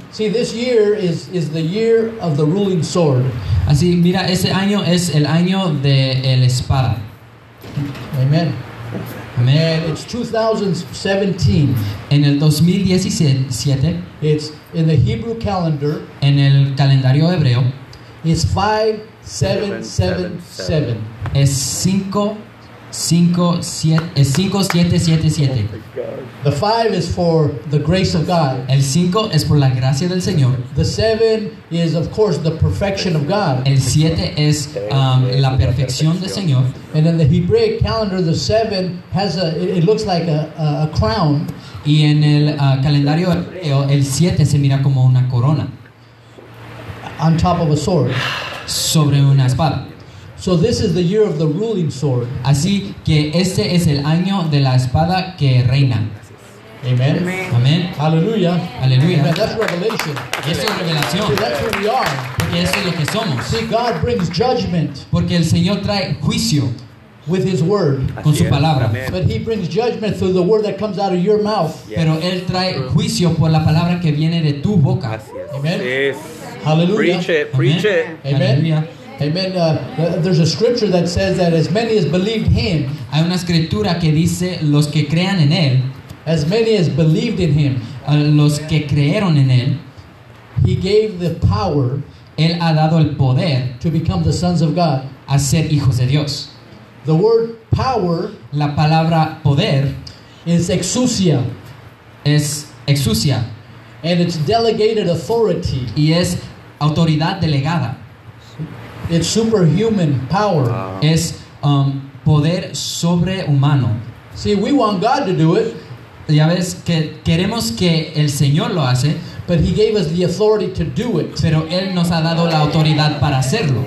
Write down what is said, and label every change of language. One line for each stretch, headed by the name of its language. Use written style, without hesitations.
English: See, this year is the year of the ruling sword.
Spanish: Así, mira, ese año es el año de el espada.
English: Amen.
Spanish: Amen.
English: And it's 2017.
Spanish: En el 2017.
English: It's in the Hebrew calendar.
Spanish: En el calendario hebreo.
English: It's 5777.
Spanish: Es 5777.
English: The 5 is for the grace of God.
Spanish: El 5 es por la gracia del Señor.
English: The 7 is of course the perfection of God.
Spanish: El 7 es la perfección del Señor.
English: And in the Hebraic calendar, the 7 has it looks like a crown.
Spanish: Y en el calendario hebreo, el 7 se mira como una corona.
English: On top of a sword.
Spanish: Sobre una espada.
English: So this is the year of the ruling sword.
Spanish: Así que este es el año de la espada que reina.
English: Amen.
Spanish: Amen.
English: Hallelujah.
Spanish: Hallelujah.
English: Amen. That's revelation.
Spanish: Y eso es revelación.
English: See, that's who we are.
Spanish: Porque eso es lo que somos.
English: See, God brings judgment.
Spanish: Porque el Señor trae juicio.
English: With his word.
Spanish: Con su palabra. Amen.
English: But he brings judgment through the word that comes out of your mouth. Yes.
Spanish: Pero él trae juicio por la palabra que viene de tu boca.
English: Amen. Yes. Hallelujah. Preach it. Preach Amen. It. Amen. Hallelujah. Amen. There's a scripture that says that as many as believed him,
Spanish: hay una escritura que dice los que crean en él,
English: as many as believed in him,
Spanish: los que creyeron en él,
English: he gave the power,
Spanish: él ha dado el poder,
English: to become the sons of God,
Spanish: a ser hijos de Dios.
English: The word power,
Spanish: la palabra poder,
English: is exousia,
Spanish: es exousia,
English: and it's delegated authority,
Spanish: y es autoridad delegada.
English: It's superhuman power.
Spanish: Es poder sobrehumano.
English: See, we want God to do it.
Spanish: Ya ves que queremos que el Señor lo hace.
English: But he gave us the authority to do it.
Spanish: Pero él nos ha dado la autoridad para hacerlo.